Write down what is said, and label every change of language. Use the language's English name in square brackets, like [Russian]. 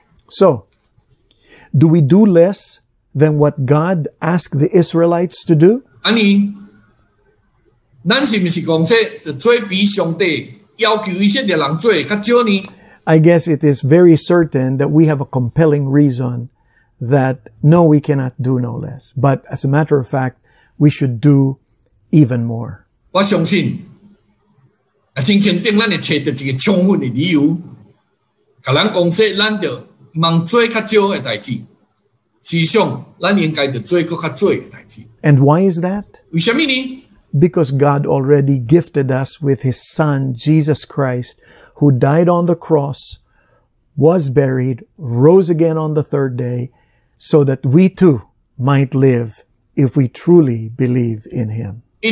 [English] So, do we do less than what God asked the Israelites to do? [Min Nan Chinese] 咱是不是说做比上帝要求以色列人做的较少呢？ [English] I guess it is very certain that we have a compelling reason that no, we cannot do no less. But as a matter of fact, we should do even more. [Min Nan Chinese] 我相信，啊，真肯定，咱会找到一个充分的理由，甲咱讲说，咱着忙做较少的代志。实际上，咱应该着做搁较多的代志。 [English] And why is that? [Min Nan Chinese] 为什么呢？ [English] Because God already gifted us with His Son, Jesus Christ, who died on the cross, was buried, rose again on the third day, so that we too might live if we truly believe in Him.